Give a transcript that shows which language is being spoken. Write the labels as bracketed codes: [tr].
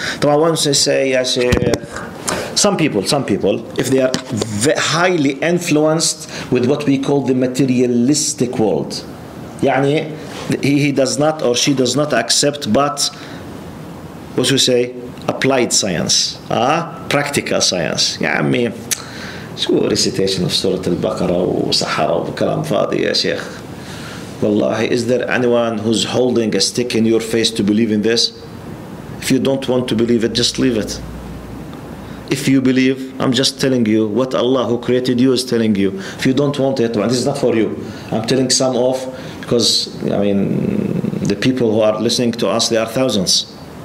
[en] طبعا once I say, some people, if they are highly influenced with what we call the materialistic world, يعني he does not or she does not accept, but what you say, applied science, practical science. [ar] يعني شو [en] recitation of [ar] سورة البقرة وصحراء وكلام فاضي يا شيخ. [en] Wallahi, is there anyone who's holding a stick in your face to believe in this? If you don't want to believe it, just leave it. If you believe, I'm just telling you what Allah who created you is telling you. If you don't want it, this is not for you. I'm telling some off because, I mean, the people who are listening to us, there are thousands.